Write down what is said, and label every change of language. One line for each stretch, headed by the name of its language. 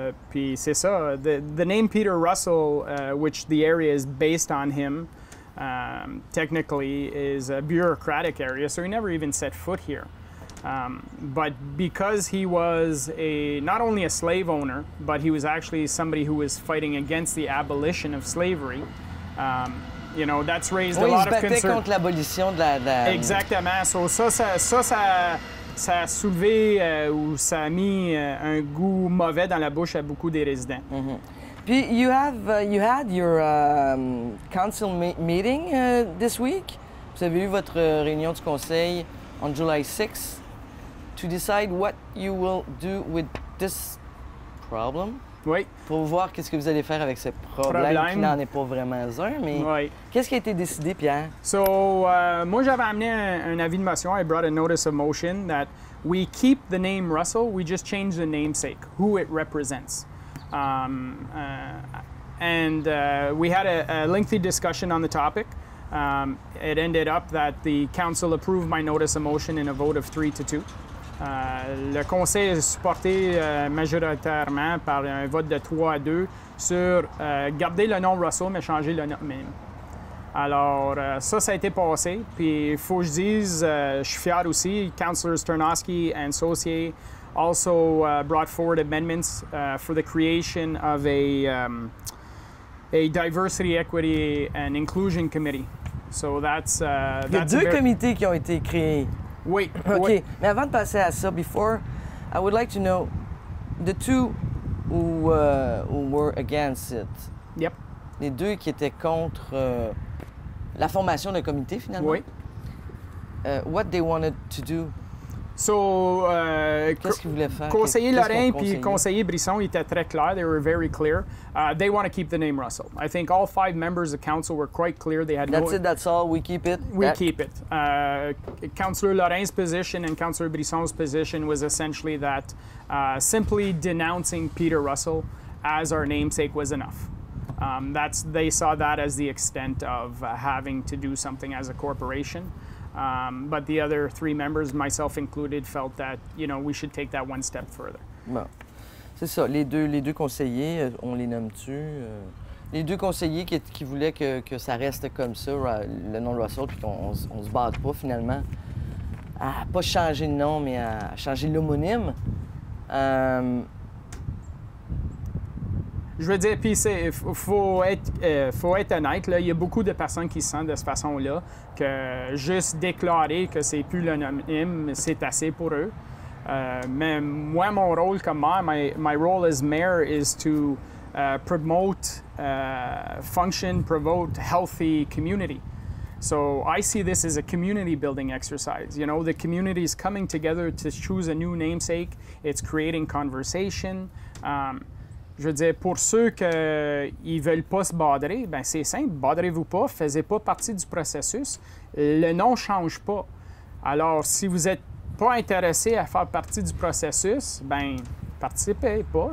French: Puis c'est ça,
English: the name Peter Russell, which the area is based on him, technically is a bureaucratic area, so he never even set foot here. But because he was not only a slave owner, but he was actually somebody who was fighting against the abolition of slavery, you know, that's raised a lot of concern.
French: Oui, il se battait contre l'abolition de la... Exactement. So ça a soulevé ou ça a mis un goût mauvais dans la bouche à beaucoup des résidents. Mm-hmm.
English: Puis, you had your council meeting this week.
French: Vous avez eu votre réunion du conseil
English: on July 6th to decide what you will do with this problem.
French: Oui. Pour voir qu'est-ce que vous allez faire avec ce problème qui n'en est pas vraiment un, mais oui. Qu'est-ce qui a été décidé, Pierre? So, moi, j'avais amené un avis de motion.
English: I brought a notice of motion that we keep the name Russell, we just change the namesake, who it represents. We had a lengthy discussion on the topic. It ended up that the council approved my notice of motion in a vote of 3-2.
French: Le conseil est supporté majoritairement par un vote de 3-2 sur garder le nom Russell mais changer le nom même. Alors, ça a été passé. Puis il faut que je dise, je suis fier aussi,
English: Councillor Sternoski and Saussier also brought forward amendments for the creation of a diversity, equity and inclusion committee. So that's
French: il y a deux comités qui ont été créés. Oui. OK. Oui. Mais avant de passer à ça,
English: before, I would like to know the two who were against it. Yep.
French: Les deux qui étaient contre la formation d'un comité, finalement. Oui.
English: What they wanted to do. So,
French: qu'est-ce qu'ils voulaient faire? Conseiller Lorrain puis conseiller Brisson étaient très clairs.
English: They were very clear. They want to keep the name Russell. I think all five members of council were quite clear. They had that's no... That's it, that's all. We keep it? We keep it. Councillor Lorrain's position and Councillor Brisson's position was essentially that simply denouncing Peter Russell as our namesake was enough. They saw that as the extent of having to do something as a corporation. But the other three members, myself included, felt that, you know, we should take that one step further.
French: Bon. C'est ça. Les deux conseillers, on les nomme-tu? Les deux conseillers qui voulaient que ça reste comme ça, le nom Russell, puis qu'on se batte pas, finalement, à pas changer le nom, mais à changer l'homonyme. Je veux dire, puis c'est faut être honnête, là, il y a beaucoup de personnes qui se sentent de cette façon-là, que juste déclarer que c'est plus l'anonyme, c'est assez pour eux. Mais moi, mon rôle comme maire,
English: my role as mayor is to promote, function, promote healthy community. So I see this as a community building exercise. You know, the community is coming together to choose a new namesake. It's creating conversation.
French: Je veux dire, pour ceux qui ne veulent pas se badrer, ben c'est simple, badrez-vous pas, faites pas partie du processus. Le nom ne change pas. Alors, si vous n'êtes pas intéressé à faire partie du processus, ben participez pas.